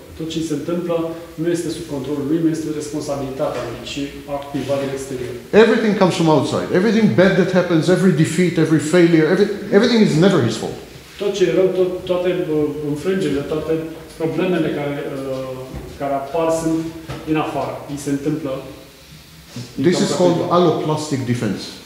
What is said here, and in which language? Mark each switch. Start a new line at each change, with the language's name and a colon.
Romanian: Tot ce se întâmplă nu este sub controlul lui, nu este responsabilitatea lui, ci activarea exterioară.
English: Everything comes from outside. Everything bad that happens, every defeat, every failure, everything is never his fault.
Romanian: Tot ce e rău, toate înfrângerile, toate problemele care apar sunt din afară. Îi se întâmplă.
English: This is called alloplastic defense.